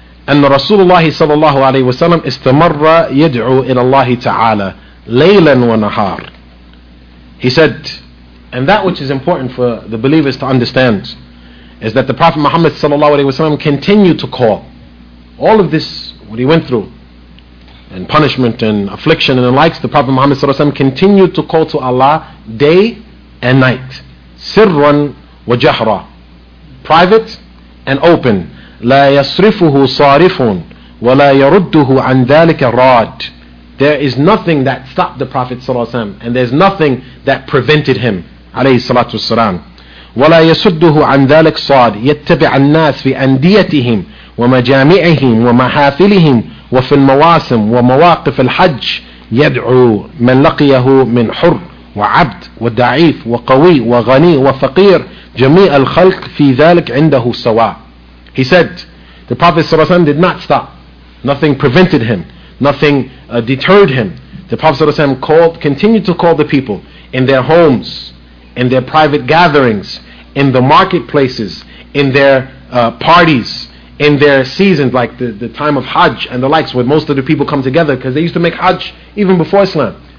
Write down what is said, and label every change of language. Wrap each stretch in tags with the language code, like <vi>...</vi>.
<ar>أن رسول الله صلى الله عليه وسلم استمر يدعو إلى الله تعالى ليلا ونهار.</ar> <en>He said, and that which is important for the believers to understand is that the Prophet Muhammad صلى الله عليه وسلم continued to call. All of this, what he went through, and punishment and affliction and the likes, the Prophet Muhammad صلى الله عليه وسلم continued to call to Allah day and night.</en> <ar>سِرًّا وَجَهْرًا.</ar> <en>Private and open.</en> <ar>لَا يَصْرِفُهُ صَارِفٌ وَلَا يَرُدُّهُ عَنْ ذَلِكَ رَادٍ.</ar> <en>There is nothing that stopped the Prophet صلى الله عليه وسلم, and there's nothing that prevented him عليه الصلاة والسلام.</en> <ar>وَلَا يَسُدُّهُ عَنْ ذَلِكَ صَادٍ يَتَّبِعَ النَّاسِ فِي أَنْدِيَتِهِمْ وَمَجَامِعِهِمْ وَمَحَافِلِهِمْ وَفِي الْمَوَاسِمْ وَمَوَاقِفِ الْحَجِّ يَدْعُو مَنْ لَقِيَهُ مِنْ حُرٍّ وعبد وضعيف وقوي وغني وفقير جميع الخلق في ذلك عنده سواء.</ar> <en>He said, the Prophet صلى الله عليه وسلم did not stop. Nothing prevented him. Nothing deterred him. The Prophet صلى الله عليه وسلم continued to call the people in their homes, in their private gatherings, in the marketplaces, in their parties, in their seasons, like the time of Hajj and the likes, where most of the people come together, because they used to make Hajj even before Islam.</en>